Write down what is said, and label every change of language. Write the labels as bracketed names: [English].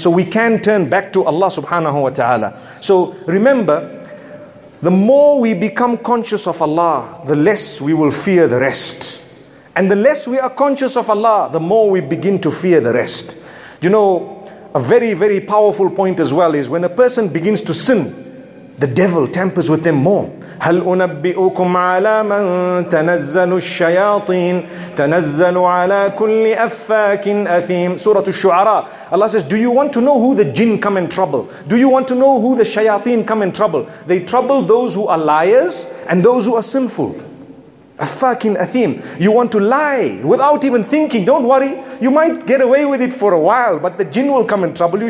[English] So we can turn back to Allah subhanahu wa ta'ala. So remember, the more we become conscious of Allah, the less we will fear the rest. And the less we are conscious of Allah, the more we begin to fear the rest. You know, a very, very powerful point as well is when a person begins to sin, the devil tampers with them more. [Arabic] هل أنبئكم على من تنزل الشياطين تنزل على كل أفاك أثيم. سورة الشعراء. [English] Allah says, do you want to know who the jinn come in trouble? Do you want to know who the shayateen come in trouble? They trouble those who are liars and those who are sinful. Afakin athim. You want to lie without even thinking. Don't worry. You might get away with it for a while, but the jinn will come and trouble you.